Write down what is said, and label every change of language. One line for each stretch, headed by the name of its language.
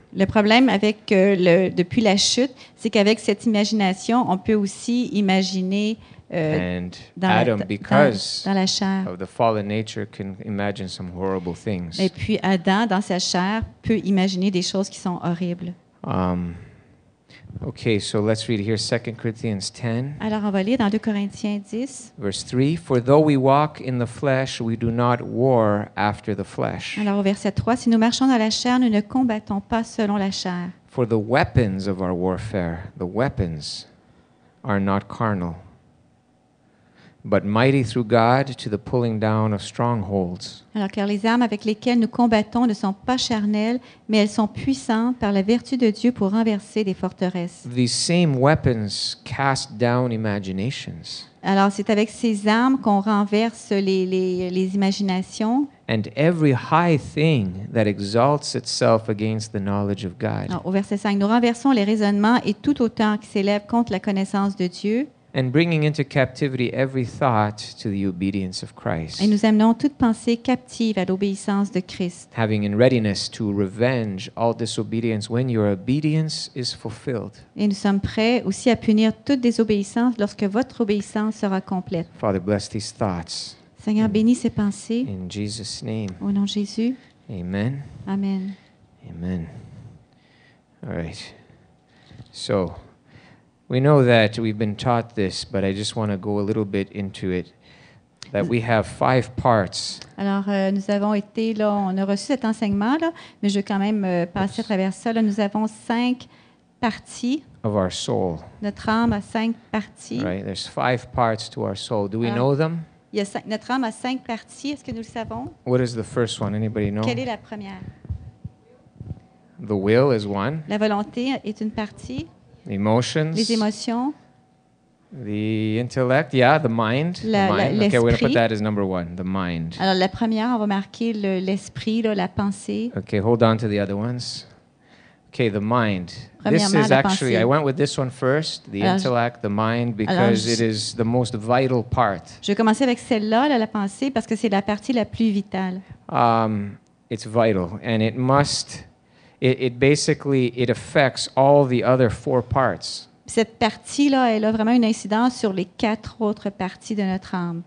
French: Le problème avec depuis la chute, c'est qu'avec cette imagination, on peut aussi imaginer dans la chair.
English: Of the fallen nature can imagine some horrible things.
French: Et puis Adam, dans sa chair, peut imaginer des choses qui sont horribles.
English: Okay, so let's read here 2 Corinthians 10.
French: Alors on va lire dans 2 Corinthiens 10.
English: Verse 3, for though we walk in the flesh, we do not war after the flesh.
French: Alors au verset 3, si nous marchons dans la chair, nous ne combattons pas selon la chair.
English: For the weapons of our warfare, the weapons are not carnal, but mighty through God to the pulling down of strongholds.
French: Alors car les armes avec lesquelles nous combattons ne sont pas charnelles, mais elles sont puissantes par la vertu de Dieu pour renverser des forteresses.
English: These same weapons cast down imaginations.
French: Alors c'est avec ces armes qu'on renverse les imaginations.
English: And every high thing that exalts itself against the knowledge of God.
French: Alors, au verset 5, nous renversons les raisonnements et tout autant qui s'élève contre la connaissance de Dieu.
English: And bringing into captivity every thought to the obedience of Christ.
French: Et nous amenons toute pensée captive à l'obéissance de Christ.
English: Having in readiness to revenge all disobedience when your obedience is fulfilled.
French: Et nous sommes prêts aussi à punir toute désobéissance lorsque votre obéissance sera complète.
English: Father, bless these thoughts.
French: Seigneur, bénis ces pensées.
English: In Jesus' name.
French: Au nom de Jésus.
English: Amen.
French: Amen.
English: Amen. All right. So we know that we've been taught this, but I just want to go a little bit into it, that we have five parts.
French: Alors, nous avons été là, on a reçu cet enseignement là, mais je veux quand même passer à travers ça. Là, nous avons cinq parties.
English: Of our soul.
French: Notre âme a cinq parties.
English: Right, there's five parts to our soul. Do we know them?
French: Il y a cinq, notre âme a cinq parties. Est-ce que nous le savons?
English: What is the first one? Anybody know?
French: Quelle est la première?
English: The will is one.
French: La volonté est une partie.
English: The emotions.
French: Les émotions.
English: The intellect. Yeah, the mind.
French: L'esprit.
English: Okay, we're going to put that as number one, the mind.
French: Alors, la première, on va marquer l'esprit, là, la pensée.
English: Okay, hold on to the other ones. Okay, the mind. This is actually,
French: pensée.
English: I went with this one first, the alors, intellect, the mind, because it is the most vital part.
French: Je vais commencer avec celle-là, là, la pensée, parce que c'est la partie la plus vitale.
English: It's vital, and it must... It affects all the other four parts.
French: Cette partie-là, elle a vraiment une incidence sur les quatre autres parties de notre âme.